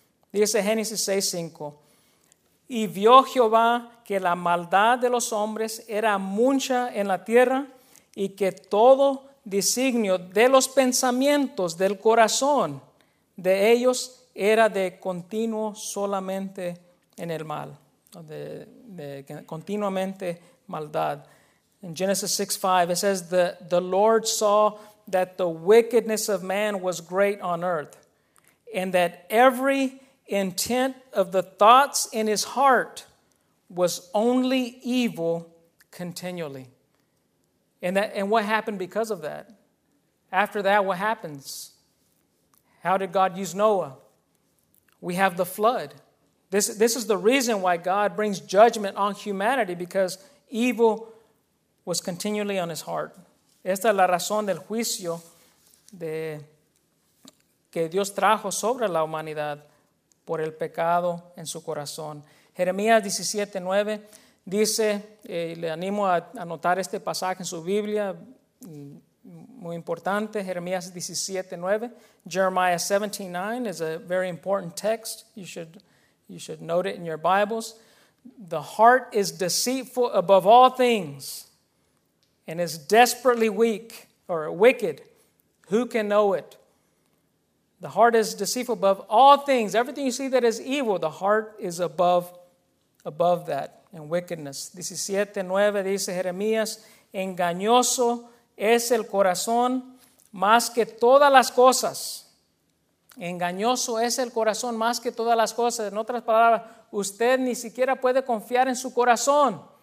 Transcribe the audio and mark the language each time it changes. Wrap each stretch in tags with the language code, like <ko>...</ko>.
<es>Dice Génesis 6:5. Y vio Jehová que la maldad de los hombres era mucha en la tierra, y que todo designio de los pensamientos del corazón de ellos era de continuo solamente en el mal, de continuamente maldad.</es> <en>In Genesis 6:5, it says the Lord saw that the wickedness of man was great on earth, and that every intent of the thoughts in his heart was only evil continually. And what happened because of that? After that, what happens? How did God use Noah? We have the flood. This is the reason why God brings judgment on humanity, because evil was continually on his heart.</en> <es>Esta es la razón del juicio de que Dios trajo sobre la humanidad por el pecado en su corazón. Jeremías 17:9 dice, y le animo a anotar este pasaje en su Biblia, muy importante, Jeremías 17:9.</es> <en>Jeremiah 17:9 is a very important text. You should note it in your Bibles. The heart is deceitful above all things, and is desperately weak or wicked. Who can know it? The heart is deceitful above all things. Everything you see that is evil, the heart is above that, in wickedness.</en> <es>17:9 dice Jeremías, engañoso es el corazón más que todas las cosas. Engañoso es el corazón más que todas las cosas. En otras palabras, usted ni siquiera puede confiar en su corazón.</es>